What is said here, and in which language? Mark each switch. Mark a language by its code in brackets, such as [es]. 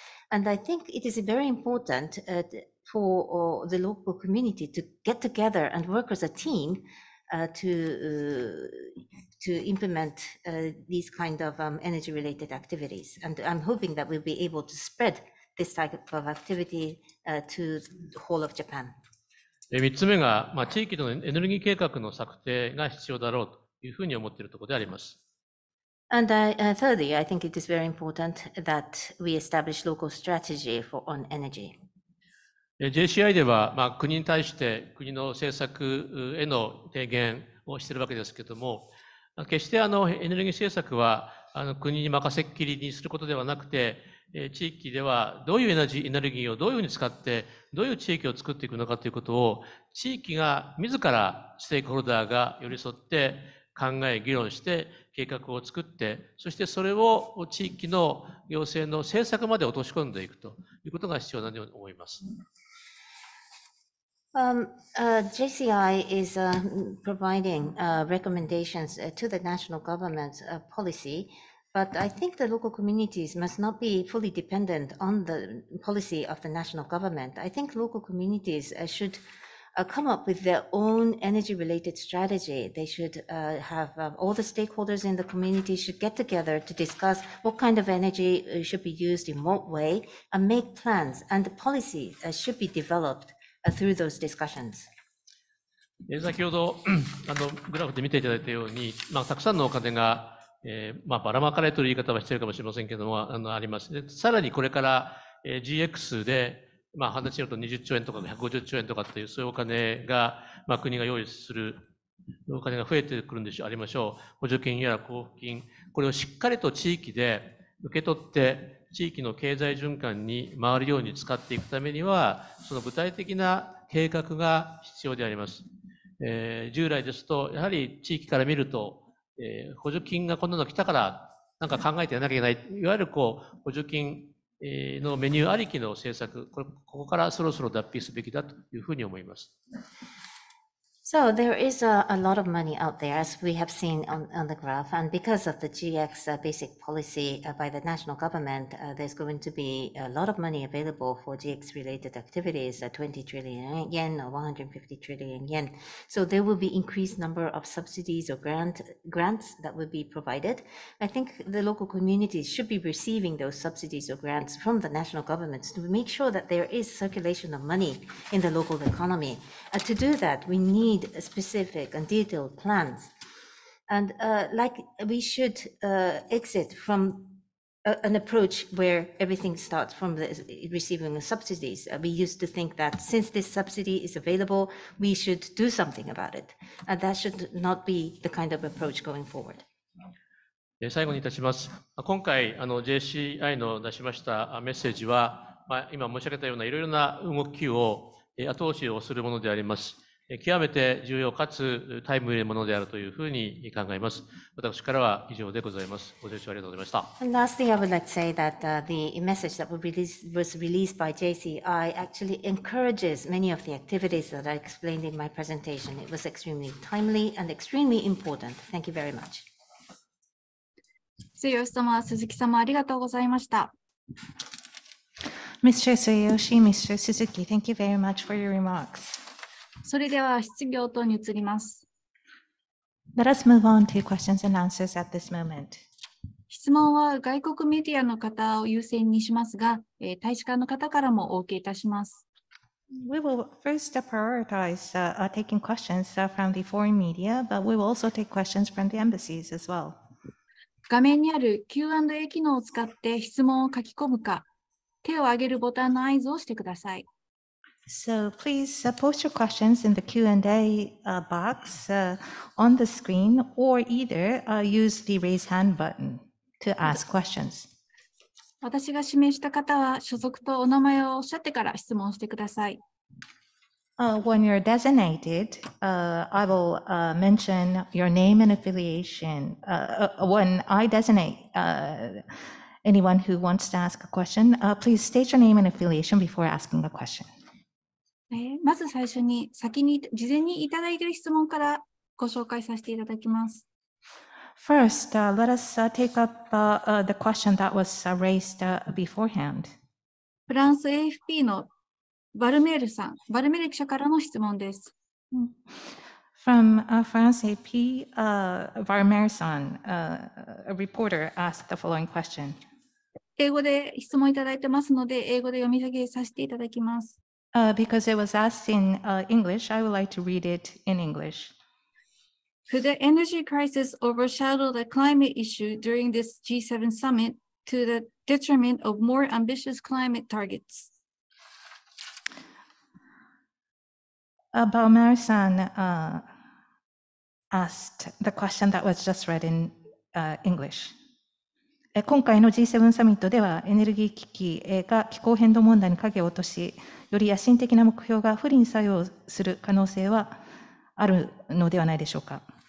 [en] And I think it is very important for the local community to get together and work as a team to implement these kind of energy-related activities. And I'm hoping that we'll be able to spread this type of activity to the whole of Japan. [ja] 3つ目が、まあ、地域のエネルギー計画の策定が必要だろうというふうに思っているところであります。 [en] And thirdly, I think it is very important that we establish local strategy for on energy. [ja] JCI では、まあ、国に対して国の政策への提言をしているわけですけれども、決してあのエネルギー政策は国に任せっきりにすることではなくて、地域ではどういうエネルギーをどういうふうに使って、どういう地域を作っていくのかということを、地域が自らステークホルダーが寄り添って考え、議論して、計画を作って、そしてそれを地域の行政の政策まで落とし込んでいくということが必要なのに思います。 [en] JCI is providing recommendations to the national government's policy, but I think the local communities must not be fully dependent on the policy of the national government. I think local communities should come up with their own energy-related strategy. They should have all the stakeholders in the community should get together to discuss what kind of energy should be used in what way and make plans and the policy should be developed. Through those discussions. [ja] 先ほどグラフで見ていただいたように、まあ、たくさんのお金が、まあ、ばらまかれという言い方は必要かもしれませんけども、あります。で、さらにこれから、GX で、まあ、話によると20兆円とか150兆円とかという、そういうお金が、まあ、国が用意するお金が増えてくるんでしょう、ありましょう。補助金やら交付金、これをしっかりと地域で受け取って、地域の経済循環に回るように使っていくためには、その具体的な計画が必要であります。従来ですと、やはり地域から見ると、補助金がこんなの来たから、なんか考えてやらなきゃいけない、いわゆるこう補助金のメニューありきの政策、ここからそろそろ脱皮すべきだというふうに思います。 [en] So there is a lot of money out there, as we have seen on the graph, and because of the GX basic policy by the national government, there's going to be a lot of money available for GX related activities, 20 trillion yen or 150 trillion yen. So there will be increased number of subsidies or grants that will be provided. I think the local communities should be receiving those subsidies or grants from the national governments to make sure that there is circulation of money in the local economy. To do that, we need specific and detailed plans. And like we should exit from an approach where everything starts from receiving subsidies. We used to think that since this subsidy is available, we should do something about it. And that should not be the kind of approach going forward. [ja] 最後にいたします。今回JCI の出しましたメッセージは、まあ、今申し上げたようないろいろな動きを後押しをするものであります。極めて重要かつタイムリーなものであるというふうに考えます。私からは以上でございます。ご清聴ありがとうございました。 [en] And lastly, I would like to say that the message that was released by JCI actually encourages many of the activities that I explained in my presentation. It was extremely timely and extremely important. Thank you very much. [ja] 末吉様、鈴木様、ありがとうございました。 [en] Mr. Tsuyoshi, Mr. Suzuki, thank you very much for your remarks. [ja] それでは質疑応答に移ります。 [en] Let us move on to questions and answers at this moment. [ja] 質問は外国メディアの方を優先にしますが、大使館の方からもお受けいたします。 [en] We will first prioritize taking questions from the foreign media, but we will also take questions from the embassies as well. [ja] 画面にある Q&A 機能を使って質問を書き込むか、手を挙げるボタンの合図をしてください。 [en] So please post your questions in the Q&A box on the screen or either use the raise hand button to ask questions. [ja] 私が指名した方は所属とお名前をおっしゃってから質問してください。 [en] When you're designated, I will mention your name and affiliation. When I designate anyone who wants to ask a question, please state your name and affiliation before asking a question. [ja] まず最初に先に事前にいただいている質問からご紹介させていただきます。 [en] First, let us take up the question that was raised beforehand. [ja] フランス AFP のバルメールさん、バルメール記者からの質問です。 [en] From France AFP, Varmer-san, a reporter asked the following question. [ja] 英語で質問いただいてますので、英語で読み上げさせていただきます。 [en] Because it was asked in English, I would like to read it in English. Could the energy crisis overshadow the climate issue during this G7 summit to the detriment of more ambitious climate targets? Balmer-san asked the question that was just read in English. [ja] 今回の G7 サミットではエネルギー危機が気候変動問題に影を落とし、より野心的な目標が不利に作用する可能性はあるのではないでしょうか。